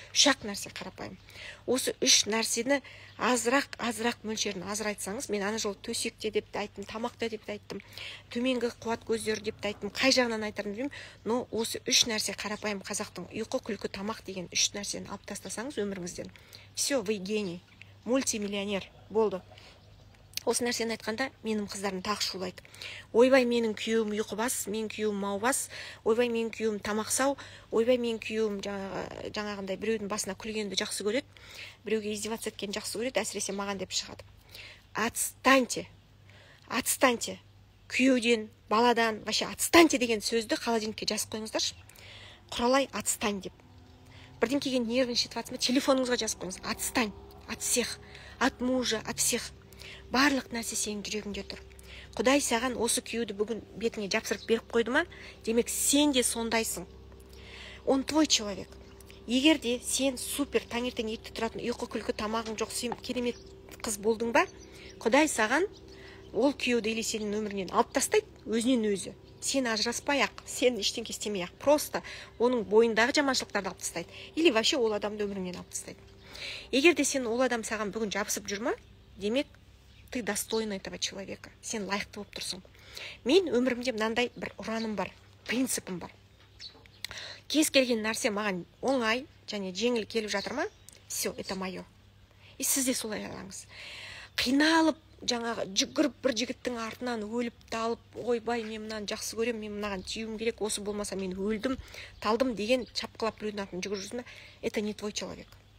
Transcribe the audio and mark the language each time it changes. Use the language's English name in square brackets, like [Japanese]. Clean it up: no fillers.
[Kazakh] Шақ нәрсе қарапайым. Осы үш нәрсені азырақ-азырақ мөлшерін азыр айтсаңыз, мен ана жылы төсекте деп те айттым, тамақта деп те айттым, төменгі қуат көздері деп те айттым, қай жағынан айтарымды білмеймін, но осы үш нәрсе қарапайым қазақтың ұйқы, күлкі, тамақ деген үш нәрсені алып тастасаңыз өміріңізден. [Russian] Все, вы гений, мультимиллионер болды. [Kazakh] Осы нәрсені айтқанда менің қыздарым тағы шулайды. Ойбай, менің күйеуім ұйқыбас, менің күйеуім маубас, ойбай, менің күйеуім тамақсау, ойбай, менің күйеуім жаңағындай біреудің басына күлгенді жақсы көреді, біреуге издеваться еткенді жақсы көреді, әсіресе маған деп шығады. [Russian] Отстаньте. Отстаньте. [Kazakh] Күйеуден, баладан, [Russian] вообще отстаньте [Kazakh] деген сөзді холодильникке жазып қойыңыздаршы. Құралай, отстань деп. Бірден келген нервничать ватсыма, телефоныңызға жазып қойыңыз. [Russian] Отстань. От всех. От мужа, от всех. [Kazakh] Барлық нәрсе сенің жүрегіңде тұр. Құдай саған осы күйеуді бүгін бетіңе жапсырып беріп қойды ма? Демек, сен де сондайсың. [Russian] Он твой человек. [Kazakh] Егер де сен супер таңертең ерте тұратын, ұйқы күлкі тамағың жоқ, сен керемет қыз болдың ба? Құдай саған ол күйеуді или сенің өмірінен алып тастайды, өзінен өзі. Сен ажыраспай-ақ, сен ештеңке істемей-ақ, просто оның бойындағы жаманшылықтарды алып тастайды. [Russian] Или вообще [Kazakh] ол адамды өмірінен алып тастайды. Егер де сен ол адам саған бүгін жабысып жүр ма? [Russian] Демек, ты достойна этого человека. [Kazakh] Сен лайықты болып тұрсың. Мен өмірімде мынандай бір ұраным бар, принципім бар. Кез келген нәрсе маған оңай және жеңіл келіп жатыр ма? [Russian] Все, это мое. [Kazakh] И сіз де солай аласыз. Қиналып, жаңағы жүгіріп бір жігіттің артынан өліп талып, ойбай, мен мынаны жақсы көремін, мен мынаған тиюім керек, осы болмаса мен өлдім, талдым деген шапқылап біреудің артынан жүгіріп жүрсің ба? [Russian] Это не твой человек.